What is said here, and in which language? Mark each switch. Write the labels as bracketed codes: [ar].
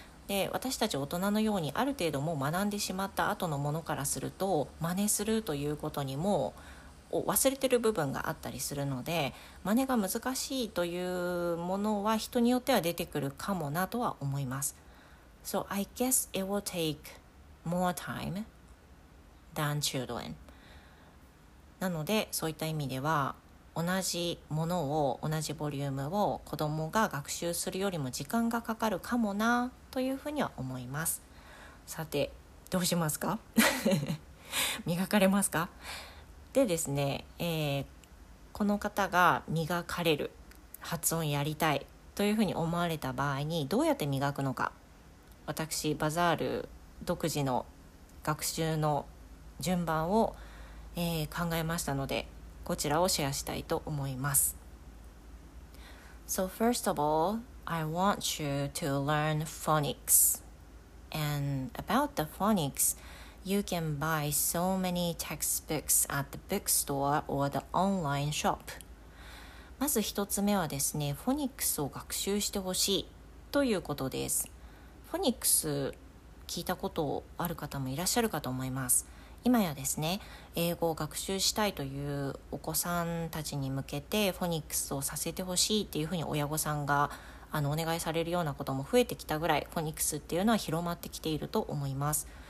[ja] で、私たち大人のようにある程度もう学んでしまった後のものからすると、真似するということにも忘れてる部分があったりするので、真似が難しいというものは人によっては出てくるかもなとは思います。 [en] So I guess it will take more time than children。 [ja] なので、そういった意味では、同じものを、同じボリュームを子どもが学習するよりも時間がかかるかもなというふうには思います。さて、どうしますか磨かれますか。でですね、この方が磨かれる、発音やりたいというふうに思われた場合に、どうやって磨くのか、私バザール独自の学習の順番を、考えましたので、こちらをシェアしたいと思います。 [en] So first of all, I want you to learn phonics. And about the phonics,You can buy so many textbooks at the bookstore or the online shop. [ja] まず一つ目はですね、フォニックスを学習してほしいということです。フォニックス聞いたことある方もいらっしゃるかと思います。今やですね、英語を学習したいというお子さんたちに向けてフォニックスをさせてほしいっていうふうに親御さんがお願いされるようなことも増えてきたぐらい、フォニックスっていうのは広まってきていると思います。